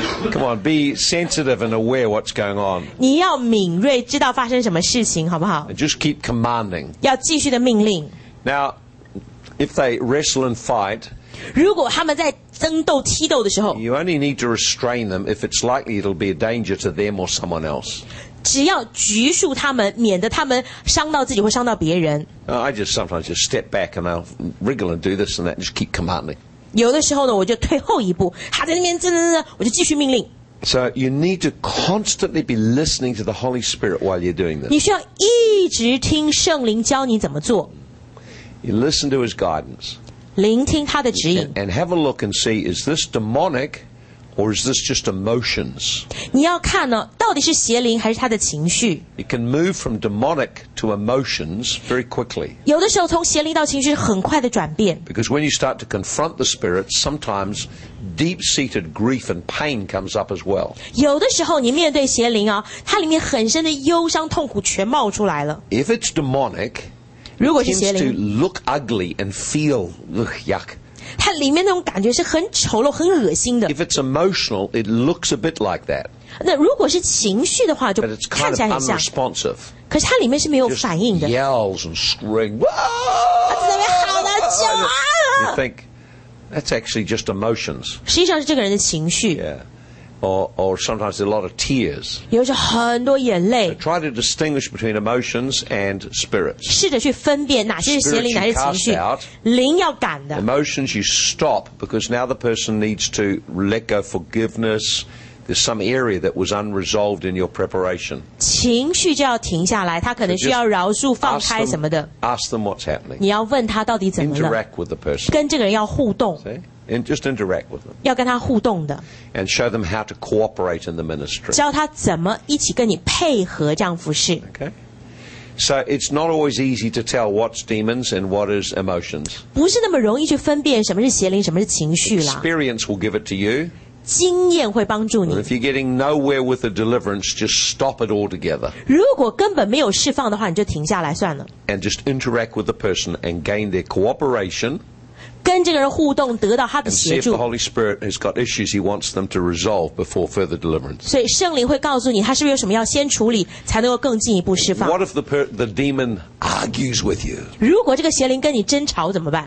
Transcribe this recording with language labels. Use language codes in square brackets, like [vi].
[en] Come on, be sensitive and aware what's going on. [zh] 你要敏锐，知道发生什么事情，好不好？ [en] Just keep commanding. [zh] 要继续的命令。 [en] Now. If they wrestle and fight, [zh] 如果他们在争斗踢斗的时候 [en] you only need to restrain them if it's likely it'll be a danger to them or someone else. [zh] 只要拘束他们，免得他们伤到自己或伤到别人。 [en] I just sometimes just step back and I'll wriggle and do this and that, and just keep commanding. [zh] 有的时候呢，我就退后一步，他在那边真的真的，我就继续命令。 [en] So you need to constantly be listening to the Holy Spirit while you're doing this. [zh] 你需要一直听圣灵教你怎么做。 [en] You listen to His guidance. [zh] 聆听他的指引。 [en] And have a look and see, is this demonic or is this just emotions? [zh] 你要看呢，到底是邪灵还是他的情绪。 [en] It can move from demonic to emotions very quickly. [zh] 有的时候从邪灵到情绪是很快的转变。 [en] Because when you start to confront the Spirit, sometimes... deep-seated grief and pain comes up as well. [zh] 有的时候你面对邪灵啊，它里面很深的忧伤痛苦全冒出来了。 [en] If it's demonic, [zh] 如果是邪灵, [en] it tends to look ugly and feel, ugh, yuck. [zh] 它里面那种感觉是很丑陋很恶心的。 [en] If it's emotional, it looks a bit like that. [zh] 那如果是情绪的话就看起来很像。 [en] But it's kind of unresponsive. [zh] 可是它里面是没有反应的。 [en] Just yells and screams. [zh] 它在那边喊啊叫啊。 [en] That's actually just emotions. [zh] 实际上是这个人的情绪。 [en] Yeah. Or sometimes a lot of tears. [zh] 有时很多眼泪。 [en] So try to distinguish between emotions and spirits. [zh] 试着去分辨哪些是邪灵，哪些是情绪。灵要赶的。 [en] Emotions you stop because now the person needs to let go forgiveness. There's some area that was unresolved in your preparation. [zh] 情绪就要停下来，他可能需要饶恕、放开什么的。 [en] Ask them what's happening. [zh] 你要问他到底怎么了。 [en] Interact with the person. [zh] 跟这个人要互动。 [en] And just interact with them. [zh] 要跟他互动的。 [en] And show them how to cooperate in the ministry. [zh] 教他怎么一起跟你配合这样服事。 [en] Okay. So it's not always easy to tell what's demons and what is emotions. [zh] 不是那么容易去分辨什么是邪灵，什么是情绪啦。 [en] Experience will give it to you. [zh] 经验会帮助你。 [en] And if you're getting nowhere with the deliverance, just stop it altogether. [zh] 如果根本没有释放的话，你就停下来算了。 [en] And just interact with the person and gain their cooperation. [zh] 跟这个人互动，得到他的协助。 [en] And see if the Holy Spirit has got issues he wants them to resolve before further deliverance. [zh] 所以圣灵会告诉你，他是不是有什么要先处理，才能够更进一步释放。 [en] What if the demon argues with you? [zh] 如果这个邪灵跟你争吵怎么办